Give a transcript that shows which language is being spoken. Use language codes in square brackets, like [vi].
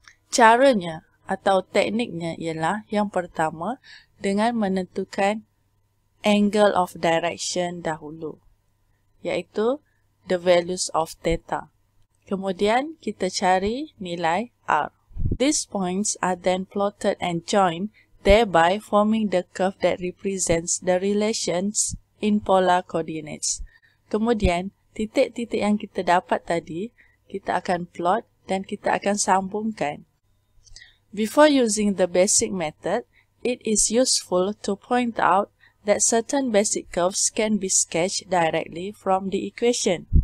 [ms] Caranya atau tekniknya ialah yang pertama dengan menentukan [en] angle of direction [ms] dahulu, iaitu [en] the values of theta. [ms] Kemudian, kita cari nilai R. [en] These points are then plotted and joined, thereby forming the curve that represents the relations in polar coordinates. [ms] Kemudian, titik-titik yang kita dapat tadi, kita akan plot dan kita akan sambungkan. [en] Before using the basic method, it is useful to point out that certain basic curves can be sketched directly from the equation.